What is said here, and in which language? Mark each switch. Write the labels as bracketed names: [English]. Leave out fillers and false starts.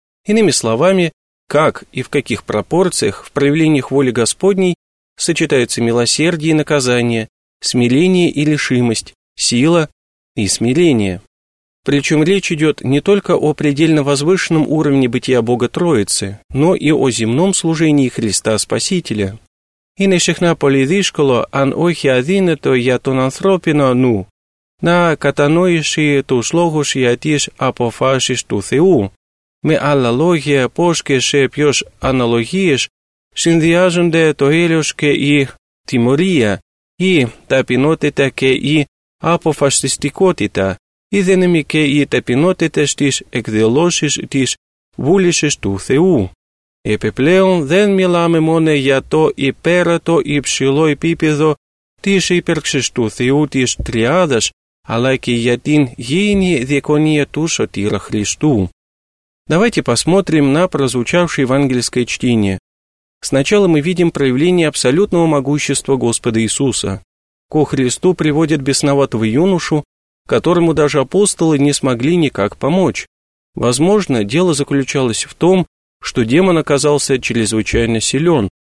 [Russian] Иными словами, как и в каких пропорциях в проявлениях воли Господней сочетаются милосердие и наказание, смирение и решимость, сила и смирение. Причем речь идет не только о предельно возвышенном уровне бытия Бога Троицы, но и о земном служении Христа Спасителя. [Greek] Είναι συχνά πολύ δύσκολο, αν όχι αδύνατο για τον ανθρώπινο νου, να κατανόησει τους λόγους για τις αποφάσεις του Θεού. Με άλλα λόγια, πώς και σε ποιες αναλογίες συνδυάζονται το έλεος και η τιμωρία, η ταπεινότητα και η αποφασιστικότητα, η δύναμη και η ταπεινότητα στις εκδηλώσεις της βούλησης του Θεού. Επιπλέον, δεν μιλάμε μόνο για το υπέρατο υψηλό επίπεδο της ύπαρξης του Θεού της Τριάδας, αλλά και για την γήινη διακονία του Σωτήρα Χριστού. [Russian] Давайте посмотрим на прозвучавшее евангельское чтение. Сначала мы видим проявление абсолютного могущества Господа Иисуса. Ко Христу приводят бесноватого юношу, которому даже апостолы не смогли никак помочь. Возможно, дело заключалось в том, что демон оказался чрезвычайно силен.